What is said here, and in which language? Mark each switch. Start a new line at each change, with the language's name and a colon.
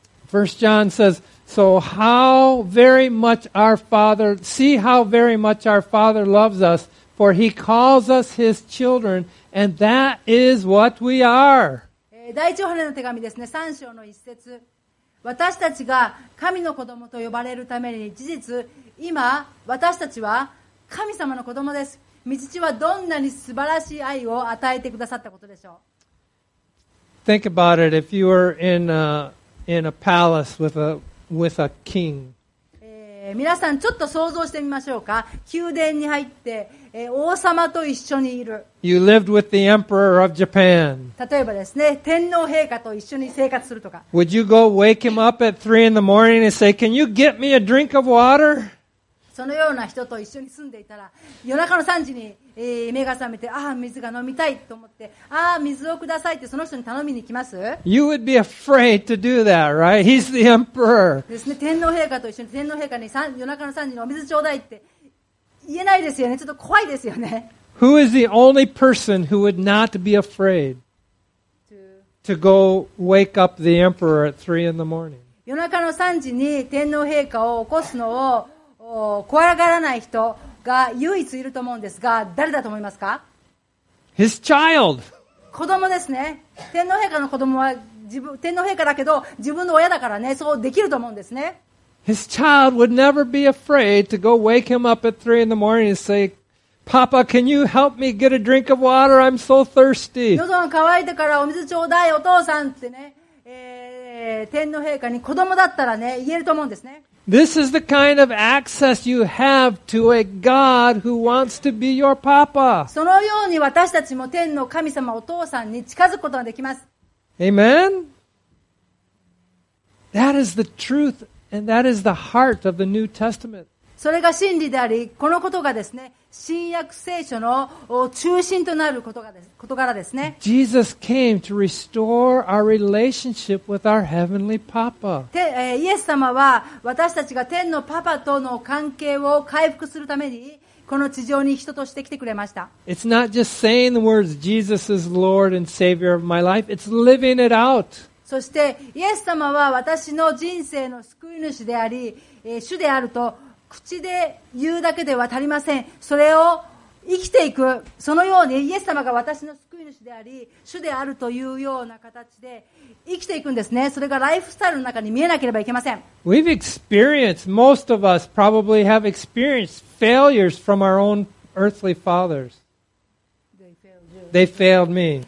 English: First John says, so how very much our Father, see how very much our Father loves us, for he calls us his children, and that is what we are.
Japanese: 第一ヨハネの手紙ですね、3章の1節。私たちが神の子供と呼ばれるために事実、今私たちは神様の子供です。御父はどんなに素晴らしい愛を与えてくださったことでしょう。
English: Think about it. If you were in a palace with a king.
Japanese: 皆さんちょっと想像してみましょうか。宮殿に入って、王様と一緒にいる。
English: You lived with the emperor of Japan.
Japanese: 例えばですね、天皇陛下と一緒に生活するとか。
English: Would you go wake him up at 3 in the morning and say, "Can you get me a drink of water?"
Japanese: そのような人と一緒に住んでいたら夜中の3時に、目が覚めて、ああ水が飲みたいと思って、ああ水をくださいってその人に頼みに行きます。
English: You would be afraid to do that, right? He's the emperor.
Japanese: ですね、天皇陛下と一緒に、天皇陛下に夜中の3時にお水ちょうだいって言えないですよね。ちょっと怖いですよね。
English: Who is the only person who would not be afraid to go wake up the emperor at 3 in the morning?
Japanese: 夜中の3時に天皇陛下を起こすのを怖がらない人が唯一いると思うんですが、誰だと思いますか?
English: His child.
Japanese: 子供ですね。天皇陛下の子供は天皇陛下だけど自分の親だからね、そうできると思うんですね。
English: His child would never be afraid to go wake him up at 3 in the morning and say, Papa, can you help me get a drink of water? I'm so thirsty.
Japanese: 喉が渇いてからお水ちょうだい、お父さんってね、天皇陛下に子供だったらね、言えると思うんですね。
English: This is the kind of access you have to a God who wants to be your Papa.
Japanese: そのように私たちも天の神様、お父さんに近づくことができます。
English: Amen? That is the truth. And that is the heart of the New Testament.
Japanese: それが真理であり、このことがですね、新約聖書の中心となることがです、事柄ですね。
English: Jesus came to restore our relationship with our heavenly Papa.
Japanese: イエス様は私たちが天のパパとの関係を回復するためにこの地上に人として来てくれました。
English: It's not just saying the words, Jesus is Lord and Savior of my life. It's living it out.
Japanese: そしてイエス様は私の人生の救い主であり、主であると口で言うだけでは足りません。それを生きていく、そのようにイエス様が私の救い主であり主であるというような形で生きていくんですね。それがライフスタイルの中に見えなければいけません。
English: We've experienced, most of us probably have experienced failures from our own earthly fathersThey failed me.